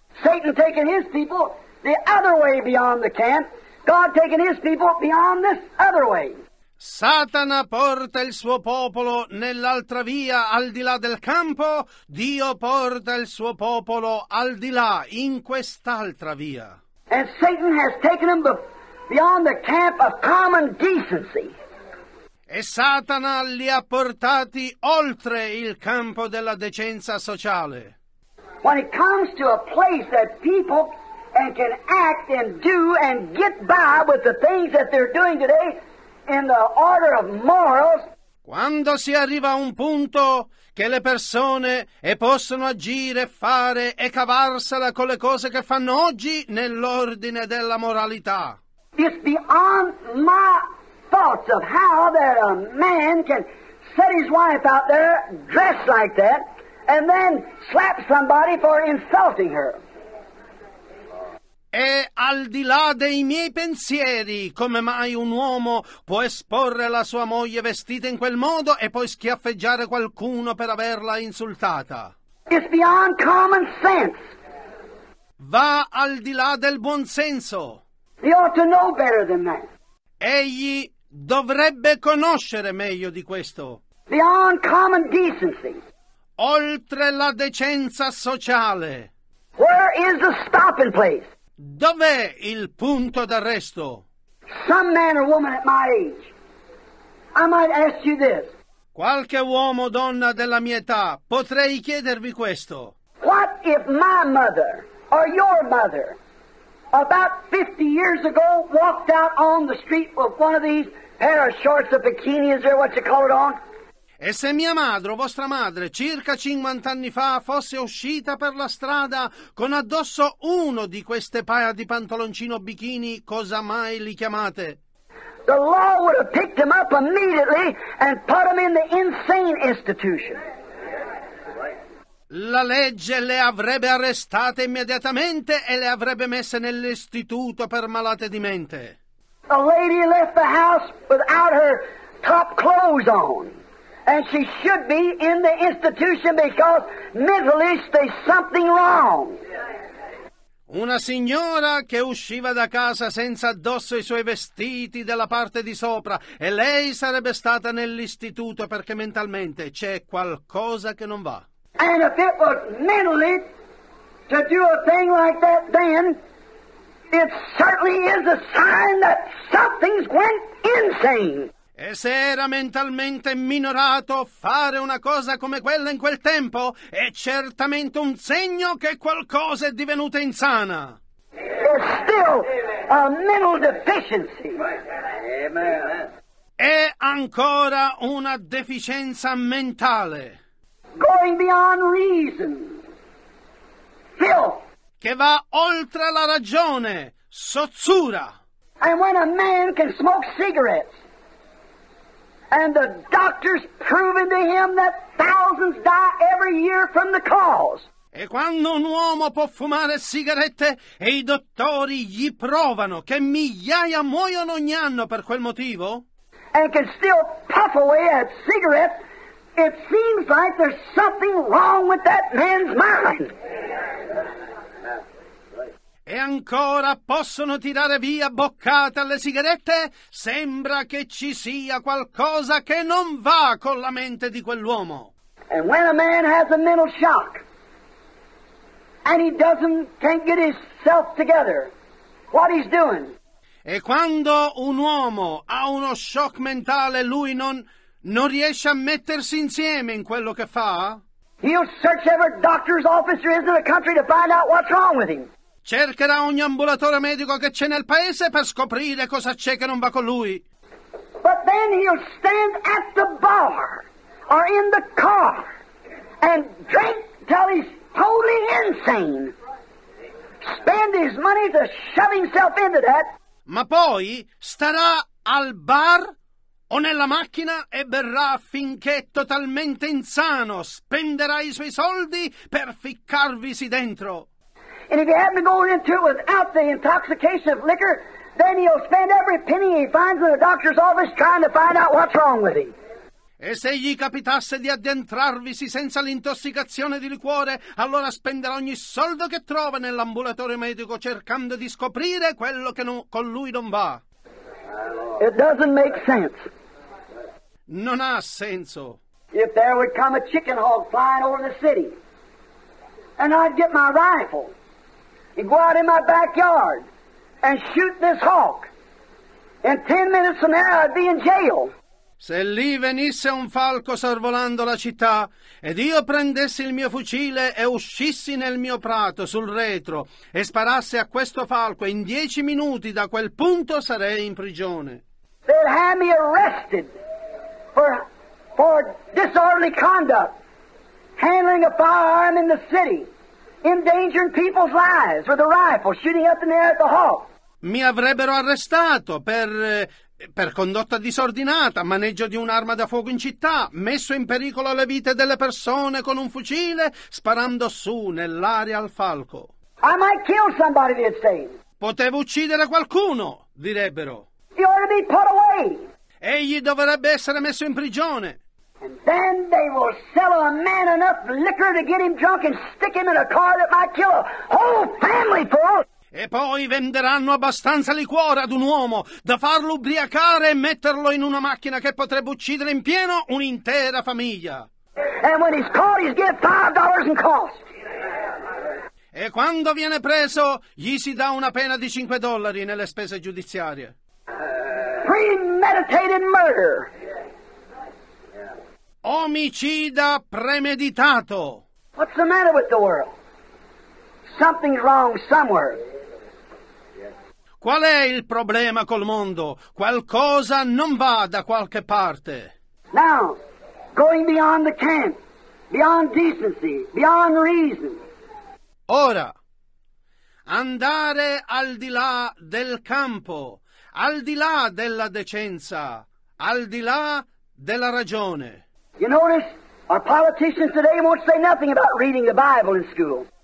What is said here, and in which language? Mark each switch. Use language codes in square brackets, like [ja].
[en] Satan taking his people the other way beyond the camp. God taking his people beyond this other way. [it] Satana porta il suo popolo nell'altra via, al di là del campo. Dio porta il suo popolo al di là, in quest'altra via. [en] And Satan has taken them beyond the camp of common decency. [it] E Satana li ha portati oltre il campo della decenza sociale. [en] When it comes to a place that people and can act and do and get by with the things that they're doing today in the order of morals. [it] Quando si arriva a un punto che le persone e possono agire, fare e cavarsela con le cose che fanno oggi nell'ordine della moralità. [en] It's beyond my thoughts of how that a man can set his wife out there dressed like that and then slap somebody for insulting her. [it] È al di là dei miei pensieri come mai un uomo può esporre la sua moglie vestita in quel modo e poi schiaffeggiare qualcuno per averla insultata. [en] It's beyond common sense. [it] Va al di là del buon senso. [en] He ought to know better than that. [it] Egli dovrebbe conoscere meglio di questo. [en] Beyond common decency. [it] Oltre la decenza sociale. [en] Where is the stopping place? [it] Dov'è il punto d'arresto? [en] Some man or woman at my age, I might ask you this. [it] Qualche uomo o donna della mia età, potrei chiedervi questo. [en] What if my mother or your mother about 50 years ago walked out on the street with one of these pair of shorts or bikinis or what you call it on? [it] E se mia madre o vostra madre circa 50 anni fa fosse uscita per la strada con addosso uno di queste paia di pantaloncino bikini, cosa mai li chiamate? [en] The law would have picked him up immediately and put him in the insane institution. [it] La legge le avrebbe arrestate immediatamente e le avrebbe messe nell'istituto per malate di mente. [en] A lady left the house without her top clothes on. And she should be in the institution because mentally there's something wrong. [it] Una signora che usciva da casa senza addosso i suoi vestiti della parte di sopra e lei sarebbe stata nell'istituto perché mentalmente c'è qualcosa che non va. [en] And if it was mentally to do a thing like that then, it certainly is a sign that something's went insane. [it] E se era mentalmente minorato fare una cosa come quella in quel tempo, è certamente un segno che qualcosa è divenuta insana. [en] There's still a mental deficiency. Amen. [it] È ancora una deficienza mentale. [en] Going beyond reason. Filth. [it] Che va oltre la ragione. Sozzura. [en] And when a man can smoke cigarettes, and the doctor's proven to him that thousands die every year from the cause. [it] E quando un uomo può fumare sigarette e i dottori gli provano che migliaia muoiono ogni anno per quel motivo? [en] And can still puff away at cigarettes, it seems like there's something wrong with that man's mind. [it] E ancora possono tirare via boccate alle sigarette? Sembra che ci sia qualcosa che non va con la mente di quell'uomo. [en] And when a man has a mental shock, and he doesn't can't get himself together, what he's doing? [it] E quando un uomo ha uno shock mentale, lui non riesce a mettersi insieme in quello che fa? [en] He'll search every doctor's office there is in the country to find out what's wrong with him. [it] Cercherà ogni ambulatore medico che c'è nel paese per scoprire cosa c'è che non va con lui. [en] But then he'll stand at the bar or in the car and drink till he's totally insane. Spend his money to shove himself into that. [it] Ma poi starà al bar o nella macchina e berrà finché è totalmente insano. Spenderà i suoi soldi per ficcarvisi dentro. [en] And if he happens to go into it without the intoxication of liquor, then he'll spend every penny he finds in the doctor's office trying to find out what's wrong with him. [it] E se gli capitasse di addentrarvisi senza l'intossicazione di liquore, allora spenderà ogni soldo che trova nell'ambulatorio medico cercando di scoprire quello che con lui non va. [en] It doesn't make sense. [it] Non ha senso. [en] If there would come a chicken hawk flying over the city, and I'd get my rifle and go out in my backyard and shoot this hawk, in 10 minutes from there I'd be in jail. [it] Se lì venisse un falco sorvolando la città, ed io prendessi il mio fucile e uscissi nel mio prato, sul retro, e sparassi a questo falco, in 10 minuti da quel punto sarei in prigione. [en] They'd have me arrested for disorderly conduct, handling a firearm in the city, endangering people's lives with a rifle, shooting up in the air at the hawk. [it] Mi avrebbero arrestato per condotta disordinata, maneggio di un'arma da fuoco in città, messo in pericolo le vite delle persone con un fucile, sparando su nell'aria al falco. [en] I might kill somebody, they'd say. [it] Potevo uccidere qualcuno, direbbero. [en] He ought to be put away. [it] Egli dovrebbe essere messo in prigione. [en] And then they will sell a man enough liquor to get him drunk and stick him in a car that might kill a whole family for. [it] E poi venderanno abbastanza liquore ad un uomo da farlo ubriacare e metterlo in una macchina che potrebbe uccidere in pieno un'intera famiglia. [en] And when he's caught, he's given $5 in cost. [it] E quando viene preso, gli si dà una pena di $5 nelle spese giudiziarie. [en] Premeditated murder. [it] Omicida premeditato. [en] What's the matter with the world? Something's wrong somewhere. [it] Qual è il problema col mondo? Qualcosa non va da qualche parte. [en] Now, going beyond the camp, beyond decency, beyond reason. [it] Ora, andare al di là del campo, al di là della decenza, al di là della ragione. [en] You notice our politicians today won't say nothing about reading the Bible in school.